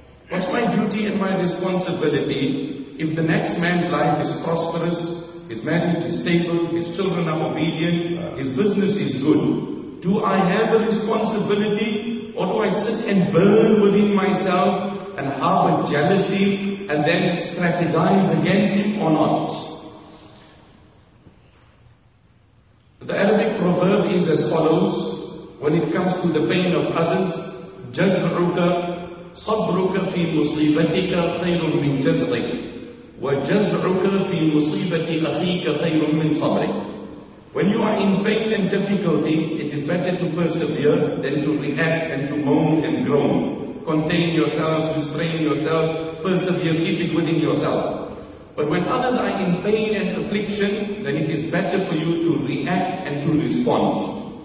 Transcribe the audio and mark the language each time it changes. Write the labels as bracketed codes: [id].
[en] What's my duty and my responsibility if the next man's life is prosperous, his marriage is stable, his children are obedient, his business is good? Do I have a responsibility, or do I sit and burn within myself and harbor jealousy and then strategize against him or not? The Arabic proverb is as follows when it comes to the pain of others: [ar] جزعك صبرك في مصيبتك خير من جزعك وجزعك في مصيبة أخيك خير من صبرك. [en] When you are in pain and difficulty, it is better to persevere than to react and to moan and groan. Contain yourself, restrain yourself, persevere, keep it within yourself. But when others are in pain and affliction, then it is better for you to react and to respond.